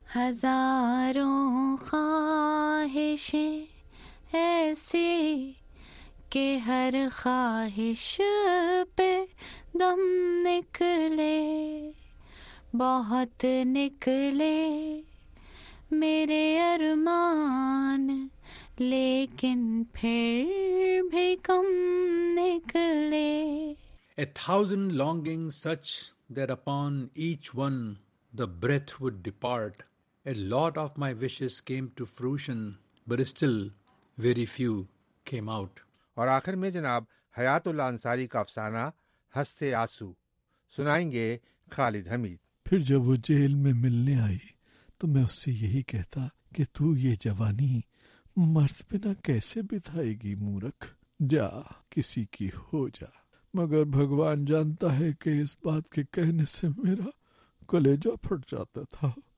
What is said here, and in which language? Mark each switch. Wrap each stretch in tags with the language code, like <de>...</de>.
<ur>ہزاروں خواہشیں ایسی کہ ہر خواہش پہ دم نکلے, بہت نکلے میرے ارمان لیکن پھر بھی کم نکلے.</ur> <en>A thousand longings such that upon each one the breath would depart, a lot of my wishes came to fruition but still very few came out.</en> <ur>اور آخر میں جناب حیات اللہ انصاری کا افسانہ ہستے آنسو سنائیں گے خالد حمید. پھر جب وہ جیل میں ملنے آئی تو میں اس سے یہی کہتا کہ تو یہ جوانی مرد بنا کیسے بتائے گی مورکھ, جا کسی کی ہو جا, مگر بھگوان جانتا ہے کہ اس بات کے کہنے سے میرا کلیجہ پھٹ جاتا تھا.</ur>